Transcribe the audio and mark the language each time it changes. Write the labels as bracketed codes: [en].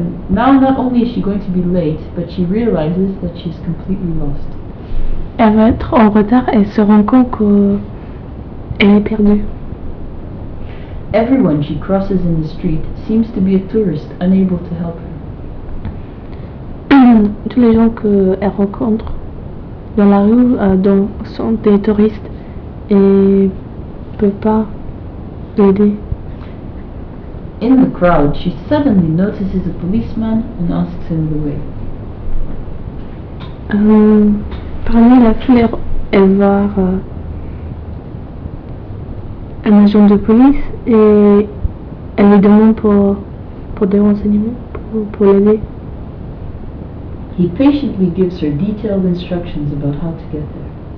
[en] Now, not only is she going to be late, but she realizes that she's completely lost. [fr] Elle va être en retard et se rend compte qu'elle est perdue. [en] Everyone she crosses in the street seems to be a tourist unable to help her. [fr] Tous les gens qu'elle rencontre dans la rue sont des touristes et ne peuvent pas l'aider. [en] In the crowd, she suddenly notices a policeman and asks him the way. [fr] Parmi la foule, elle va voir un agent de police et elle lui demande pour des renseignements, pour l'aider. [en] He patiently gives her detailed instructions about how to get there.